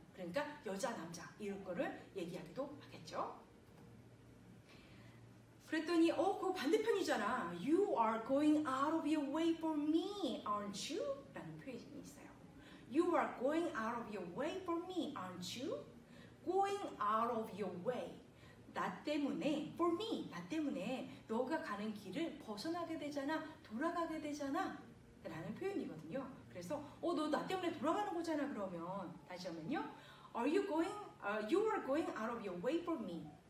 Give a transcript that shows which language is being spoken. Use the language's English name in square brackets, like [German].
[Korean] 그러니까 여자 남자 이런 거를 얘기하기도 하겠죠. 그랬더니 어 그거 반대편이잖아. [English] You are going out of your way for me, aren't you? [Korean] 라는 표현이 있어요. [English] You are going out of your way for me, aren't you? Going out of your way. [Korean] 나 때문에, [English] for me, [Korean] 나 때문에 너가 가는 길을 벗어나게 되잖아, 돌아가게 되잖아 라는 표현이거든요. 그래서 어, 너 나 때문에 돌아가는 거잖아 그러면 다시 하면요. [English] Are you going, you are going out of your way for me.